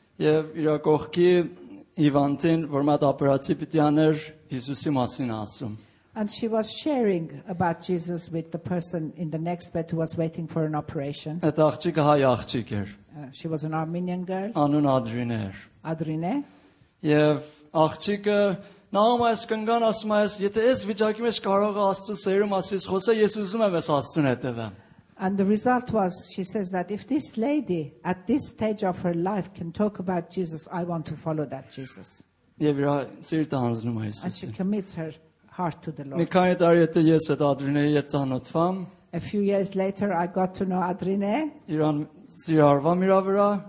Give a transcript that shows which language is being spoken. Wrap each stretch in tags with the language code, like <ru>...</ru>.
<hy>Եվ իր կողքի հիվանդին, որ մատ ապրացի պիտի աներ Հիսուսի մասին ասում.</hy> <en>And she was sharing about Jesus with the person in the next bed who was waiting for an operation.</en> <hy>Այդ աղջիկը հայ աղջիկ էր.</hy> <en>She was an Armenian girl.</en> <hy>Անուն Ադրին էր. Ադրինե. Եվ աղջիկը նաում այս կնգան ասում այս, եթե ես վիճակի մեջ կարող աստծու սերում ասիս խոսա, ես ուզում եմ ես աստծուն հետևեմ.</hy> <en>And the result was, she says that if this lady at this stage of her life can talk about Jesus, I want to follow that Jesus. And she commits her heart to the Lord. A few years later, I got to know Adrine.</en>